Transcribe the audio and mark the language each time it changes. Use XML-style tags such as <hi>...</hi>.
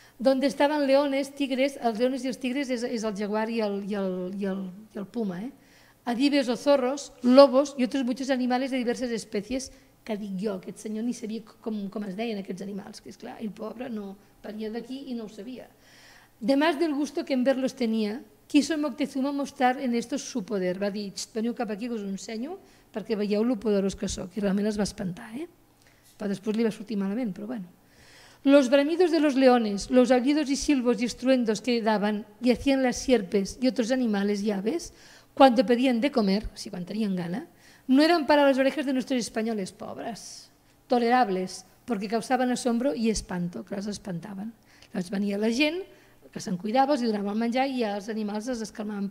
<ca>D'on estaven</ca> <es>leones, tigres,</es> <ca>els</ca> <es>leones</es> <ca>i els tigres és el jaguar i el puma, eh?</ca> <es>Adives o zorros, lobos</es> <ca>i altres</ca> <es>muchos</es> <ca>animals de diverses espècies, que dic jo, aquest senyor ni sabia com es deien aquests animals, que és clar, el pobre no venia d'aquí i no ho sabia.</ca> <es>De más del gusto que en verlos tenía, quiso Moctezuma mostrar en estos su poder.</es> <ca>Va dir, veniu cap aquí que us ensenyo perquè veieu lo poderós que sóc, i realment es va espantar, eh? Però després li va sortir malament, però bueno.</ca> <es>Los bramidos de los leones, los aullidos y silbos y estruendos que daban y hacían las sierpes y otros animales y aves, cuando pedían de comer, si cuando tenían gana, no eran para las orejas de nuestros españoles pobres, tolerables, porque causaban asombro y espanto, que las espantaban.</es> <ca>Llavors venia la gent, que se'n cuidava, els donava el menjar i ja els animals es calmaven.</ca>